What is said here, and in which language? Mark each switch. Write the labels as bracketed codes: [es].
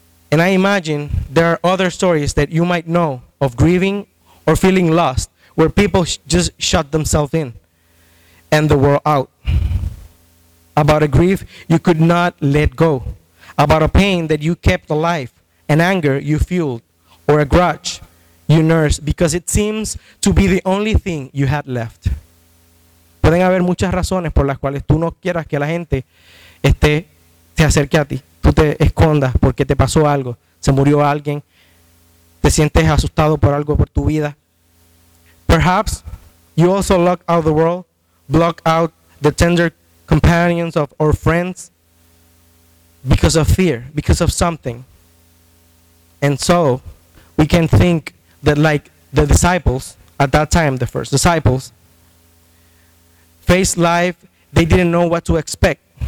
[en] And I imagine there are other stories that you might know of grieving or feeling lost, where people just shut themselves in and the world out. About a grief you could not let go. About a pain that you kept alive, an anger you fueled, or a grudge you nursed because it seems to be the only thing you had left. [es] Pueden haber muchas razones por las cuales tú no quieras que la gente esté se acerque a ti. Tú te escondas porque te pasó algo, se murió alguien, te sientes asustado por algo por tu vida. [en] Perhaps you also lock out the world, block out the tender companions of our friends because of fear, because of something. And so we can think that like the disciples at that time, the first disciples, faced life, they didn't know what to expect.